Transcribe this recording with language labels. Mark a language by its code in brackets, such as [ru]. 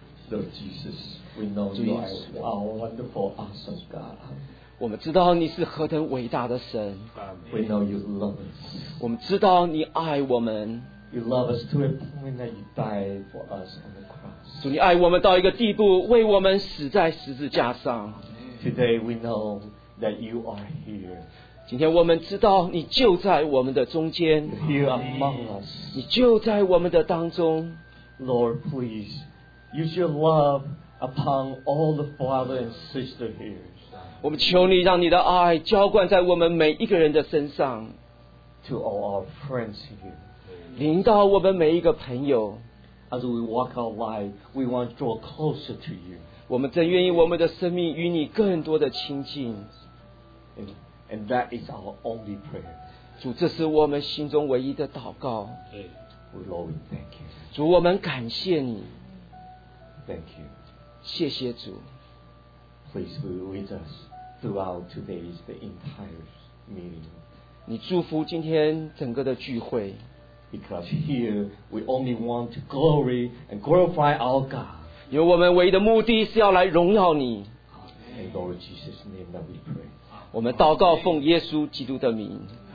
[en] Lord Jesus, we know you are our wonderful, awesome God. [zh] 我们知道你是何等伟大的神。 [en] We know you love us. [zh] 我们知道你爱我们。 [en] You love us to a point that you died for us on the cross. [zh] 主，你爱我们到一个地步，为我们死在十字架上。 [en] Today we know that you are here. [zh] 今天我们知道你就在我们的中间。 [en] You are among us. [zh] 你就在我们的当中。 [en] Lord, please. Use your love upon all the father and sister here. [zh] 我们求你让你的爱浇灌在我们每一个人的身上。 [en] To all our friends here. [zh] 临到我们每一个朋友。 [en] As we walk our life, we want to draw closer to you. [zh] 我们真愿意我们的生命与你更多的亲近。 [en] And that is our only prayer. [zh] 主，这是我们心中唯一的祷告。 [en] We love you, thank you. [zh] 主，我们感谢你。 [en] Thank you. [zh] 谢谢主。 [en] Please be with us throughout today's the entire meeting. [zh] 你祝福今天整个的聚会。 [en] Because here we only want to glory and glorify our God. [zh] 因为我们唯一的目的是要来荣耀你。 [en] In Lord Jesus' name that we pray. [zh] 我们祷告奉耶稣基督的名。